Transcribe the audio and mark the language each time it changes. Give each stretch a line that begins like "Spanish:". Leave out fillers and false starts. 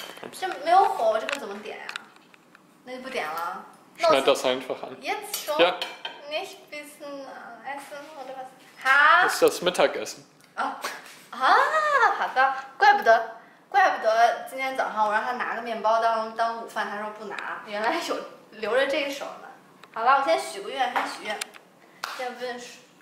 Chinese: 这没有火，我这个怎么点呀、啊？那就不点了。
German: Schneid das einfach an. Jetzt schon. Ja. Nicht bisschen essen oder was? Das ist das Mittagessen.
Chinese: 好的，怪不得今天早上我让他拿个面包当午饭，他说不拿，原来有留着这一手呢。好了，我先许个愿，先许愿，先问水。